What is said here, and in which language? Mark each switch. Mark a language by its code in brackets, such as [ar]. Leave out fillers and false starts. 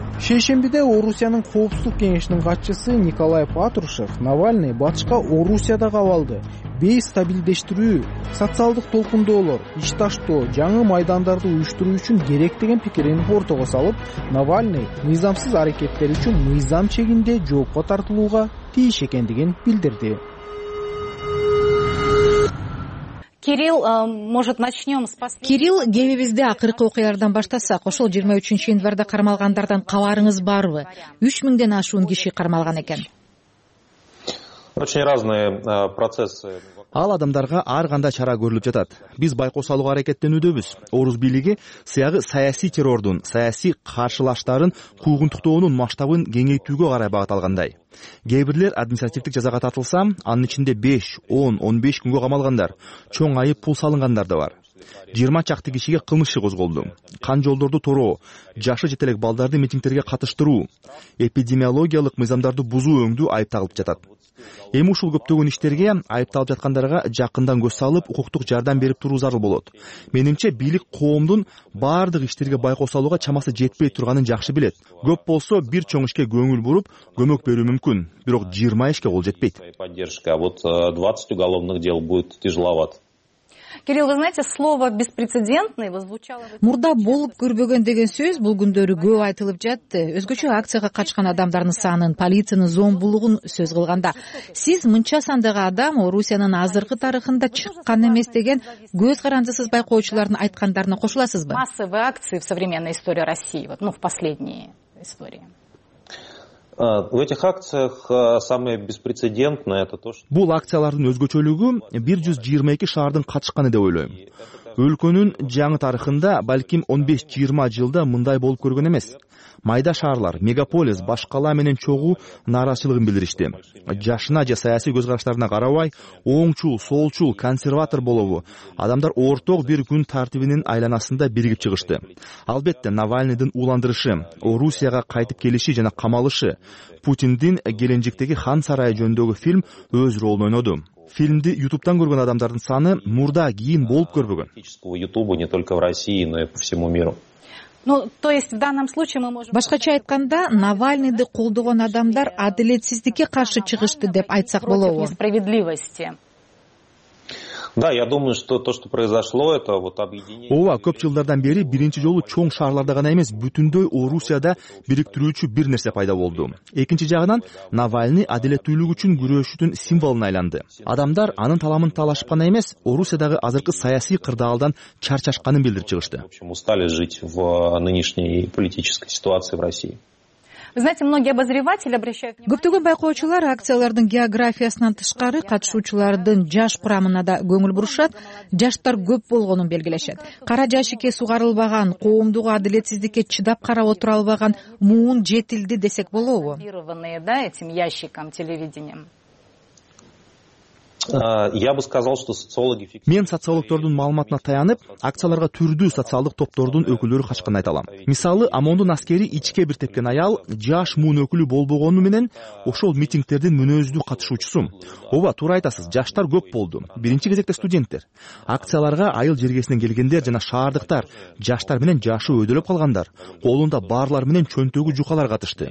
[ky] Шейшембиде Орусиянын коопсуздук кеңешинин катчысы Николай Патрушев Навальный батышка Орусиядагы абалды бейстабилдештирүү, социалдык толкундоолор, иш таштоо, жаңы майдандарды уюштуруу үчүн керек деген пикирин ортого салып, Навальный мыйзамсыз аракеттер үчүн мыйзам чегинде жоопко тартылууга тийиш экендигин билдирди. [ru] Кирилл, может, начнем с последнего. [ky] Кирилл, кемибизди акыркы окуялардан баштасак, ошол 23 январда кармалгандардан кабарыңыз барбы? 3000'ден ашуун киши кармалган экен. [ru] Очень разные процессы. [ky] Ал адамдарга ар кандай чара көрүлүп жатат. Биз байкоо салууга аракеттенүүдөбүз. Орус бийлиги сыягы саясий террордун, саясий каршылаштарын куугунтуктоонун масштабын кеңейтүүгө карай багыталгандай. Кээ бирлер административдик жазага тартылса, анын ичинде 5, 10, 15 күнгө камалгандар, чоң айып пул салынгандар да бар. 20 чакты кишиге кылмыш иши козголду. Кан жолдорду тороо, жашы жетелек балдарды митингтерге катыштыруу, эпидемиологиялык мыйзамдарды бузуу өңдүү айып тагылып жатат. Эми ушул көптөгөн иштерге айыпталып жаткандарга жакындан көз салып, укуктук жардам берип туруу зарыл болот. Менимче, бийлик коомдун баардык иштерге байкоо салууга чамасы жетпей турганын жакшы билет. Көп болсо бир чоң ишке көңүл буруп, көмөк берүү мүмкүн, бирок 20 ишке кол жетпейт. [ru] Поддержка, а вот 20 уголовных дел будет тяжеловато. Кирилл, вы знаете, слово беспрецедентный воззвучало... [ky] Мурда болып көрбөгөн деген сөз бул күндөрү көп айтылып жатты. Өзгөчө акцияга катышкан адамдардын санын, полициянын зомбулугун сөз кылганда. Сиз мынча сандагы адам Орусиянын азыркы тарыхында чыккан эмес деген көз карандысыз байкоочулардын айткандарына кошуласызбы? [ru] Массовые акции в современной истории России, вот, ну, в последние истории. В этих акциях самое беспрецедентное это то, что [ky] бул акциялардын өзгөчөлүгү 122 шаардын катышканы деп ойлойм. Өлкөнүн жаңы тарыхында балким 15-20 жылда мындай болуп көргөн эмес. Майда шаарлар, мегаполис, башкала менен чогуу нааразычылыгын билдиришти. Жашына же саясий көз караштарына карабай, оңчул, солчул, консерватор болобу, адамдар орток бир күн тартибинин айланасында биригип чыгышты. Албетте, Навальныйдын уландырышы, Орусияга кайтып келиши жана камалышы, Путиндин Геленджиктеги хан сарайы жөндөгү фильм өз ролун ойноду. Фильмди YouTube'дан көргөн адамдардын саны мурда кийин болуп көрбөгөн. [ru] YouTube не только в России, но и по всему миру. Ну, то есть в данном случае мы можем [ky] Башкача айтканда, Навальныйды колдогон адамдар адилетсиздикке каршы чыгышты деп айтсак болобу? [ru] Против несправедливости. Да, я думаю, что то, что произошло, это вот объединение. [ky] Ооба, көп жылдардан бери биринчи жолу чоң шаарларда гана эмес, бүтүндөй Орусияда бириктирүүчү бир нерсе пайда болду. Экинчи жагынан, Навальный адилеттүүлүк үчүн күрөшүүнүн символуна айланды. Адамдар анын таламын талашып гана эмес, Орусиядагы азыркы саясий кырдаалдан чарчашканын билдирип чыгышты. [ru] В общем, устали жить в нынешней политической ситуации в России. Вы знаете, многие обозреватели обращают внимание. [ky] Көптөгөн байкоочулар акциялардын географиясынан тышкары катышуучулардын жаш курамына да көңүл бурушат, жаштар көп болгонун белгилешет. Кара жашикке сугарылбаган, коомдук адилетсиздикке чыдап карап отура албаган муун жетилди десек болобу? [ru] Да, этим ящиком телевидением. Я бы сказал, что социологи [ky] Мен социологтордун маалыматына таянып, акцияларга түрдүү социалдык топтордун өкүлдөрү катышканын айталам. Мисалы, ОМОНдун аскери ичке бир тепкен аял жаш муун өкүлү болбогону менен ошол митингдердин мүнөздүү катышуучусу. Ооба, туура айтасыз, жаштар көп болду. Биринчи кезекте студенттер. Акцияларга айыл жергесинен келгендер жана шаардыктар, жаштар менен жашы өйдөлөп калгандар, колунда барлар менен чөнтөгү жукалар катышты.